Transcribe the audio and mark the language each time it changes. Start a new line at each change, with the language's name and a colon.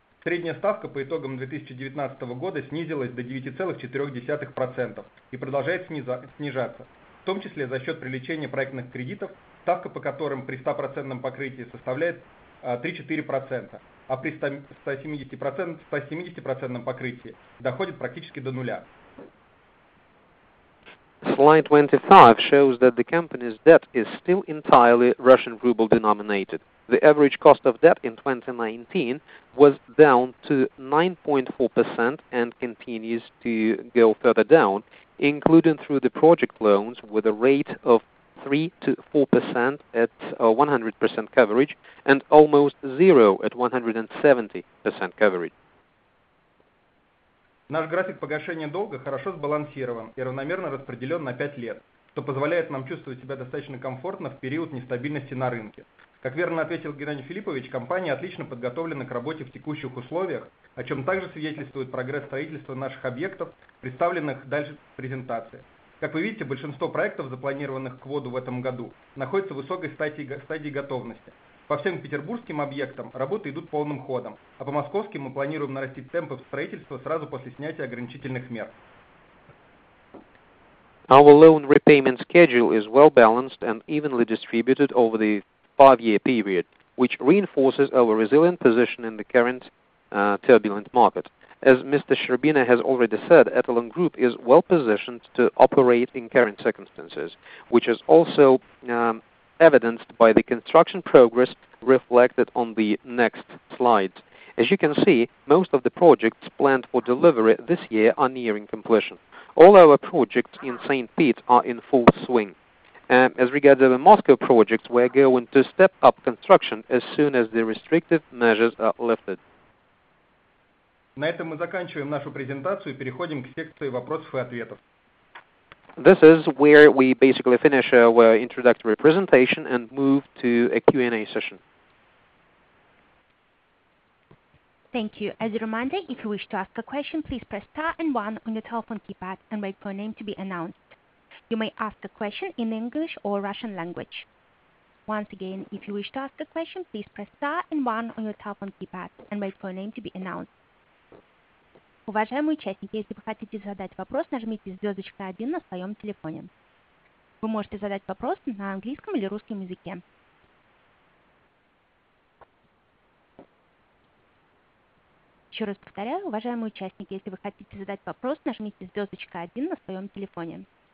Russian: Средняя ставка по итогам 2019 года снизилась до 9,4% и продолжает снижаться, в том числе за счет привлечения проектных кредитов, ставка по которым при 100% покрытии составляет 3-4%. А при 170% покрытии доходит практически до нуля.
English: Slide 25 shows that the company's debt is still entirely Russian ruble denominated. The average cost of debt in 2019 was down to 9.4% and continues to go further down, including through the project loans with a rate of 3-4% at 100% coverage and almost zero at 170% coverage.
Russian: Наш график погашения долга хорошо сбалансирован и равномерно распределен на 5 лет, что позволяет нам чувствовать себя достаточно комфортно в период нестабильности на рынке. Как верно ответил Геннадий Филиппович, компания отлично подготовлена к работе в текущих условиях, о чем также свидетельствует прогресс строительства наших объектов, представленных дальше в презентации. Как вы видите, большинство проектов, запланированных к вводу в этом году, находятся в высокой стадии готовности. По всем петербургским объектам работы идут полным ходом, а по московским мы планируем нарастить темпы строительства сразу после снятия ограничительных мер.
English: Our loan repayment schedule is well balanced and evenly distributed over the five-year period, which reinforces our resilient position in the current turbulent market. As Mr. Shcherbina has already said, Etalon Group is well positioned to operate in current circumstances, which is also evidenced by the construction progress reflected on the next slide. As you can see, most of the projects planned for delivery this year are nearing completion. All our projects in St. Pete are in full swing. As regards our Moscow projects, we are going to step up construction as soon as the restrictive measures are lifted.
Russian: На этом мы заканчиваем нашу презентацию и переходим к секции вопросов и ответов.
English: This is where we basically finish our introductory presentation and move to a Q&A session. Thank you. As a reminder, if you wish to ask a question, please press star and one on your telephone keypad and wait for a name to be announced. You may ask a question in English or Russian language. Once again, if you wish to ask a question, please press star and one on your telephone keypad and wait for a name to be announced.
Russian: Уважаемые участники, если вы хотите задать вопрос, нажмите звездочка 1 на своем телефоне. Вы можете задать вопрос на английском или русском языке. Сейчас Еще раз повторяю, уважаемые участники, если вы хотите задать вопрос, нажмите звездочка 1 на своем телефоне.